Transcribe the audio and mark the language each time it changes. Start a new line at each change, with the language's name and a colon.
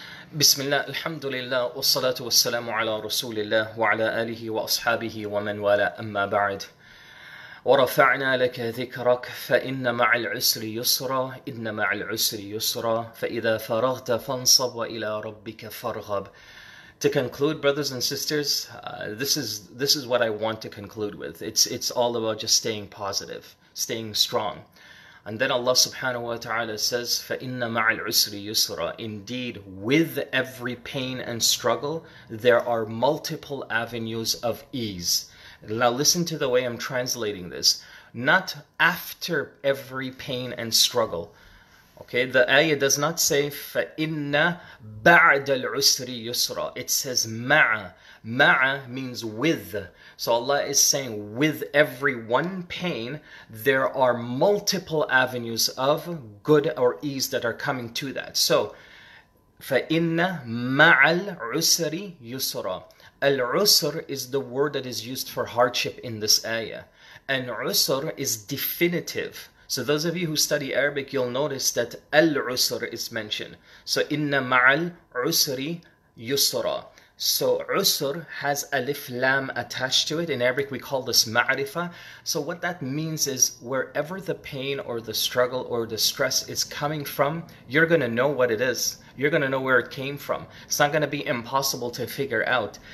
Arabic: بسم الله الحمد لله والصلاة والسلام على رسول الله وعلى آله وأصحابه ومن والاه أما بعد ورفعنا لك ذكرك فإن مع العسر يسرا إن مع العسر يسرا فإذا فرغت فانصب وإلى ربك فارغب.
English: To conclude, brothers and sisters, this is what I want to conclude with. It's all about just staying positive, staying strong. And then Allah subhanahu wa ta'ala says,
Arabic: فَإِنَّ مَعَ الْعُسْرِ يُسْرًا.
English: Indeed, with every pain and struggle, there are multiple avenues of ease. Now listen to the way I'm translating this. Not after every pain and struggle. Okay, the ayah does not say,
Arabic: فَإِنَّ بَعْدَ الْعُسْرِ يُسْرًا.
English: It says, مَعَ. مَعَ means with. So Allah is saying, with every one pain, there are multiple avenues of good or ease that are coming to that.
Arabic: So, فَإِنَّ مَعَ الْعُسْرِ يُسْرًا.
English: Al-usr is the word that is used for hardship in this ayah. And usr is definitive. So those of you who study Arabic, you'll notice that al-usr is mentioned.
Arabic: So, إِنَّ مَعَ الْعُسْرِ يُسْرًا.
English: So usr has alif lam attached to it. In Arabic, we call this ma'rifa. So what that means is wherever the pain or the struggle or the stress is coming from, you're going to know what it is. You're going to know where it came from. It's not going to be impossible to figure out.